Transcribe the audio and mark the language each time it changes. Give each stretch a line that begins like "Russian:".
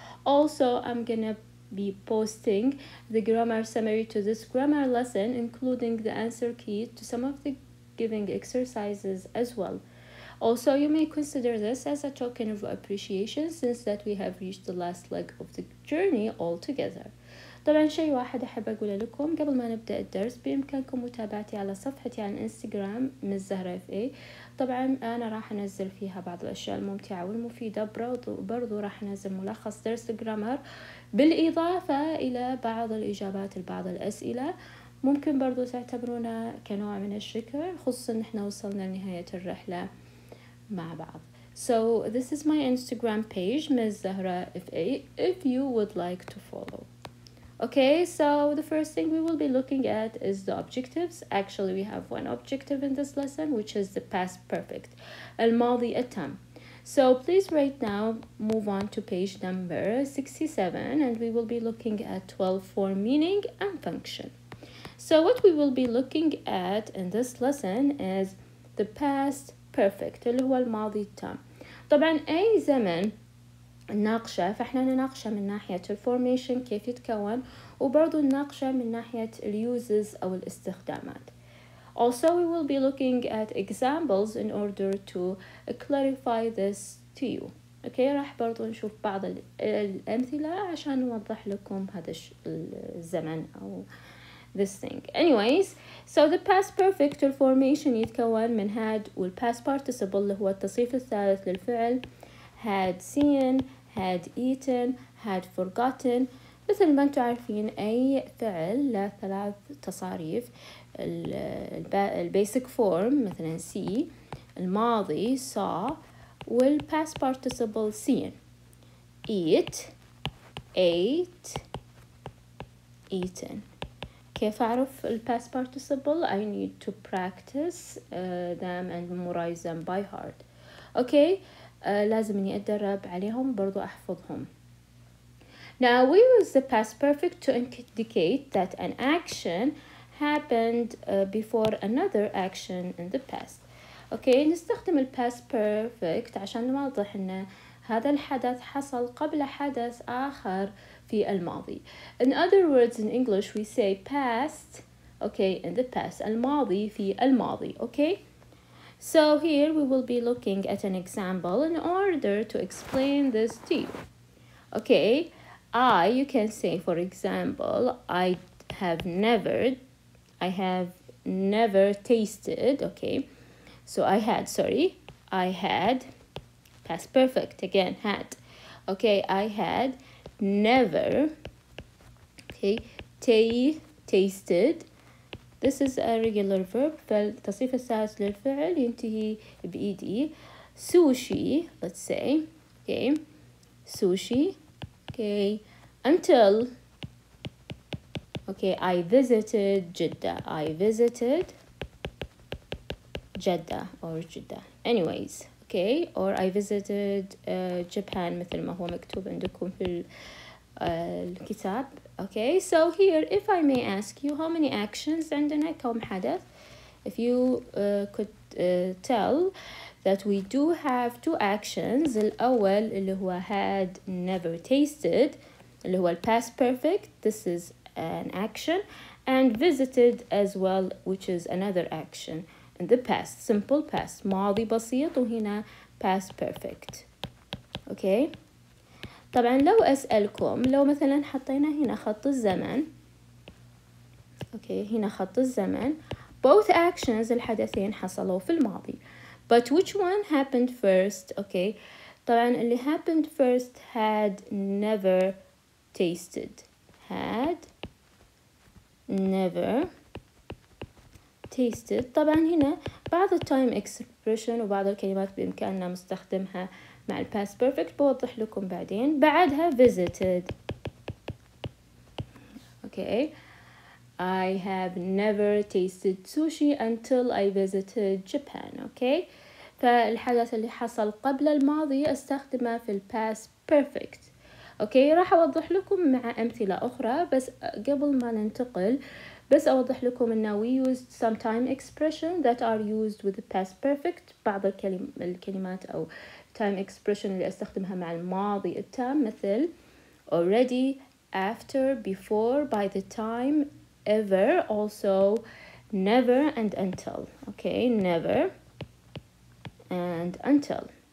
English: Also, I'm gonna be posting the grammar summary to this grammar lesson, including the answer key to some of the giving exercises as well. Also, you may consider this as a token of appreciation since that we have reached the last leg of the journey all together.
Arabic: طبعا شيء واحد أحب أقوله لكم قبل ما نبدأ الدرس بإمكانكم متابعتي على صفحتي على إنستغرام من زهرة FA. طبعا أنا راح أنزل فيها بعض الأشياء الممتعة والمفيدة برضو راح أنزل ملخص درس الجرامر بالإضافة إلى بعض الإجابات لبعض الأسئلة ممكن برضو تعتبرونا كنوع من الشكر خصوصا نحن وصلنا لنهاية الرحلة مع بعض.
English: So this is my Instagram page, Ms. Zahra FA, if you would like to follow. Okay, so the first thing we will be looking at is the objectives. Actually, we have one objective in this lesson, which is the past perfect.
Arabic: الماضي التام.
English: So please right now move on to page number 67 and we will be looking at 12 form meaning and function. So what we will be looking at in this lesson is the past perfect
Arabic: اللي هو الماضي التام. طبعا اي زمن ناقشه فاحنا نناقشه من ناحيه الفورميشن كيف يتكون وبرضه نناقشه من ناحيه اليوزز او الاستخدامات.
English: Also we will be looking at examples in order to clarify this to you.
Arabic: Okay, راح برضه نشوف بعض الامثله عشان نوضح لكم هذا الزمن او
English: this thing.
Arabic: Anyways, so the past perfect formation يتكون من had والpast participle اللي هو التصريف الثالث للفعل had seen, had eaten, had forgotten. مثل ما انتم عارفين اي فعل له ثلاث تصاريف البيسك فورم مثلا see الماضي saw والpast participle seen eat, ate, eaten. كيف أعرف الـ
English: past participle؟ I need to practice them and memorize them by heart.
Arabic: Okay, لازم إني أتدرب عليهم برضو أحفظهم.
English: Now we use the past perfect to indicate that an action happened before another action in the past.
Arabic: Okay, نستخدم الـ past perfect عشان نوضح إن هذا الحدث حصل قبل حدث آخر في الماضي.
English: In other words in English we say past, okay, in the past,
Arabic: الماضي في الماضي,
English: okay? So here we will be looking at an example in order to explain this to you. Okay, you can say for example, I have never tasted, okay? So I had, past perfect, again, had. Okay, I had never, okay, tasted. This is a regular verb.
Arabic: فالتصريف الثالث للفعل ينتهي بإيد.
English: Sushi, let's say. Okay, sushi. Okay, until. Okay, I visited Jeddah. I visited Jeddah or Jeddah. Anyways, okay, or I visited Japan,
Arabic: مثل ما هو مكتوب عندكم في الكتاب.
English: Okay, so here, if I may ask you, how many actions
Arabic: عندنا كم حدث?
English: If you could tell that we do have two actions,
Arabic: الأول اللي هو
English: had never tasted,
Arabic: اللي هو
English: past perfect, this is an action, and visited as well, which is another action. In the past, simple past,
Arabic: ماضي بسيط وهنا
English: past perfect.
Arabic: Okay, طبعا لو أسألكم لو مثلا حطينا هنا خط الزمن. Okay, هنا خط الزمن.
English: Both actions
Arabic: الحدثين حصلوا في الماضي.
English: But which one happened first? Okay,
Arabic: طبعا اللي
English: happened first had never tasted. Had never tasted.
Arabic: طبعا هنا بعض التايم اكسبريشن وبعض الكلمات بإمكاننا نستخدمها مع الباست بيرفكت بوضح لكم بعدين. بعدها visited.
English: Okay, I have never tasted sushi until I visited Japan. Okay,
Arabic: فالحدث اللي حصل قبل الماضي استخدمه في الباست بيرفكت. اوكي راح اوضح لكم مع امثله اخرى، بس قبل ما ننتقل بس اوضح لكم ان
English: we used some time expression that are used with the past perfect.
Arabic: بعض الكلمات او time expression اللي استخدمها مع الماضي التام مثل already, after, before, by the time, ever, also never and until.
English: Okay, never and until.